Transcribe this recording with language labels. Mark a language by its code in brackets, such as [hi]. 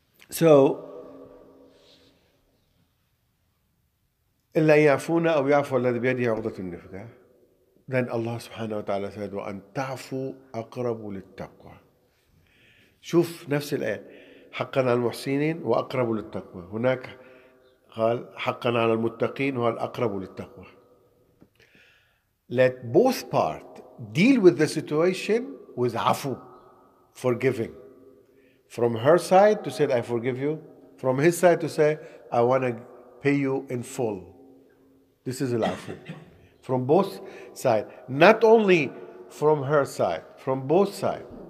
[ar] So, إِلَّا يَعْفُونَ أَوْ يَعْفُوَ الَّذِي بِيَدِهِ عُقْدَةُ النِّفَاقِ. [en] Then Allah subhanahu wa ta'ala said, [ar] وَأَنْ تَعْفُوا أَقْرَبُ لِلتَّقْوَى. شوف نفس الآية. حقاً على المحسنين وأقرب للتقوى. هناك قال حقاً على المتقين هو الأقرب للتقوى. [en] Let both parts deal with the situation with عفو, forgiving. From her side to say, I forgive you. From his side to say, I want to pay you in full. This is al-afu. From both sides. Not only from her side, from both sides.